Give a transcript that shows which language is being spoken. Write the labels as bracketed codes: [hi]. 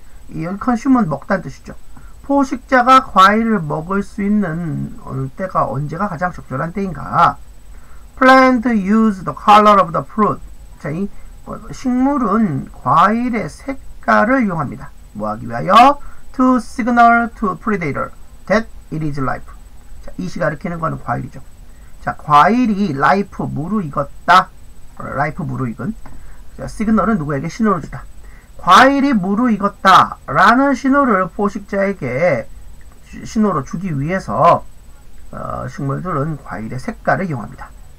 [ko] 이 consume은 먹다는 뜻이죠. 포식자가 과일을 먹을 수 있는 어느 때가 언제가 가장 적절한 때인가? [en] Plant use the color of the fruit. [ko] 자, 이 식물은 과일의 색깔을 이용합니다. 뭐하기 위하여? [en] To signal to predator that it is ripe. [ko] 자, 이 시 가리키는 것은 과일이죠. 자, 과일이 ripe, 무르익었다. Ripe, 무르익은. 자, 시그널은 누구에게 신호를 주다. 과일이 무르익었다 라는 신호를 포식자에게 신호로 주기 위해서 식물들은 과일의 색깔을 이용합니다.